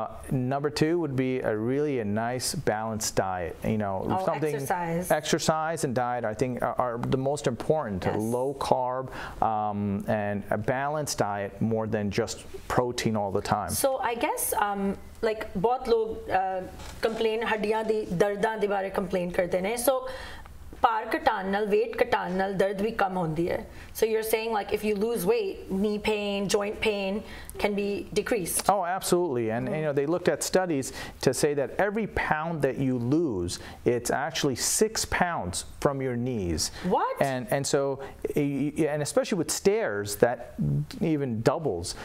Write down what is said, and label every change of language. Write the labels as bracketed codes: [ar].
[en] Number two would be a nice balanced diet. Exercise and diet, I think, are the most important. Yes. Low carb and a balanced diet more than just protein all the time. So I guess. [pa] ਬਹੁਤ ਲੋਕ complain ਹੱਡੀਆਂ ਦੇ ਦਰਦਾਂ ਦੇ ਬਾਰੇ complain ਕਰਤੇ ਨੇ, so ਪਾਰ ਕੱਟਣ ਨਾਲ, weight ਕੱਟਣ ਨਾਲ ਦਰਦ ਭੀ ਕਮ ਹੁੰਦੀ ਹੈ. [en] So you're saying if you lose weight, knee pain, joint pain can be decreased? Oh, absolutely. And they looked at studies to say that every pound that you lose, it's actually 6 pounds from your knees. What? And especially with stairs, that even doubles.